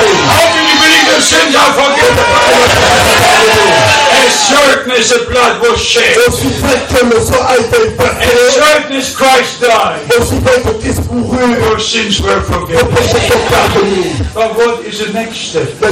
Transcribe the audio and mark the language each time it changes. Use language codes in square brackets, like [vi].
[en] How many believe your sins are forgiven? As certain as the blood was shed. [fr] Aussi vrai que le sang a été versé. [en] As certain as Christ died. [fr] Aussi vrai que Christ mourut. [en] Your sins were forgiven. Yeah. But what is the next step?